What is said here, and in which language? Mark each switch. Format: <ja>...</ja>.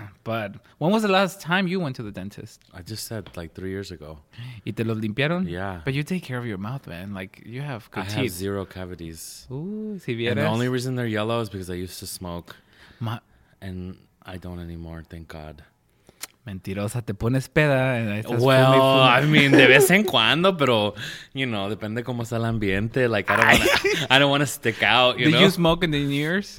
<en>But when was the last time you went to the dentist? I just said like 3 years ago.</en> <es>¿Y te lo limpiaron?</es> <en>Yeah. But you take care of your mouth, man. Like, you have good teeth. I have zero cavities.</en> <es>Ooh, si vieras.</es> <en>And the only reason they're yellow is because I used to smoke. And I don't anymore, thank God.</en> <es>Mentirosa, te pones peda.</es> <en>Well, I mean,</en> <es>de vez en cuando, pero,</es> <en>you know,</en> <es>depende cómo está el ambiente.</es> <en>Like, I don't want to stick out, you Did know? You smoke in the New Year's?</en>